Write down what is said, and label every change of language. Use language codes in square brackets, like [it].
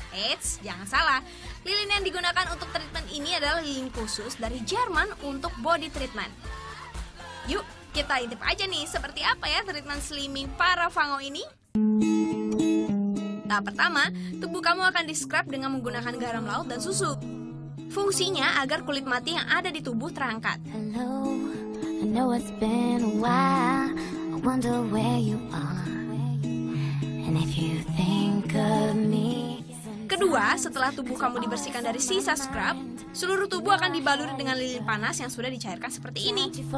[id] Eits, jangan salah. Lilin yang digunakan untuk treatment ini adalah lilin khusus dari Jerman untuk body treatment. Yuk, kita intip aja nih seperti apa ya treatment Slimming Parafango ini. Tahap pertama, tubuh kamu akan di-scrub dengan menggunakan garam laut dan susu. Fungsinya agar kulit mati yang ada di tubuh terangkat. [en] I know it's been a while, I wonder where you are, and if you think of me. [id] Kedua, setelah tubuh kamu dibersihkan dari sisa scrub, seluruh tubuh akan dibalur dengan lilin panas yang sudah dicairkan seperti ini.